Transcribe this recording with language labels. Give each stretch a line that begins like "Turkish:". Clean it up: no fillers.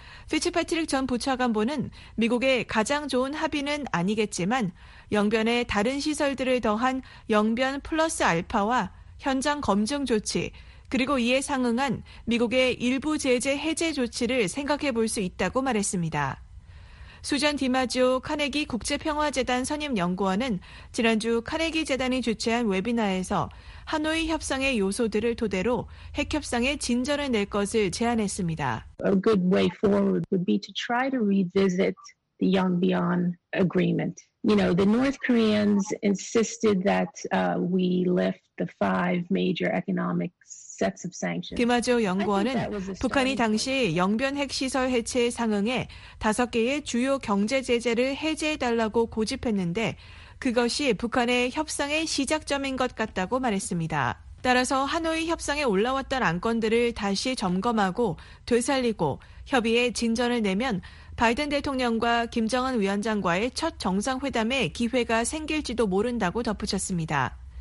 Korean: 피츠패트릭 전 부차관보는 미국의 가장 좋은 합의는 아니겠지만 영변에 다른 시설들을 더한 영변 플러스 알파와 현장 검증 조치 그리고 이에 상응한 미국의 일부 제재 해제 조치를 생각해 볼 수 있다고 말했습니다. 수잔 디마지오 카네기 국제평화재단 선임연구원은 지난주 카네기 재단이 주최한 웨비나에서 하노이 협상의 요소들을 토대로 핵 협상의 진전을 낼 것을 제안했습니다.
English: A good way forward would be to try to revisit the Yongbyon agreement. You know, the North Koreans insisted that we lift the five major economic sets of sanctions.
Korean: 디마지오 연구원은 북한이 당시 영변 핵시설 해체에 상응해 다섯 개의 주요 경제 제재를 해제해달라고 고집했는데 그것이 북한의 협상의 시작점인 것 같다고 말했습니다. 따라서 하노이 협상에 올라왔던 안건들을 다시 점검하고 되살리고 협의에 진전을 내면 바이든 대통령과 김정은 위원장과의 첫 정상회담에 기회가 생길지도 모른다고 덧붙였습니다.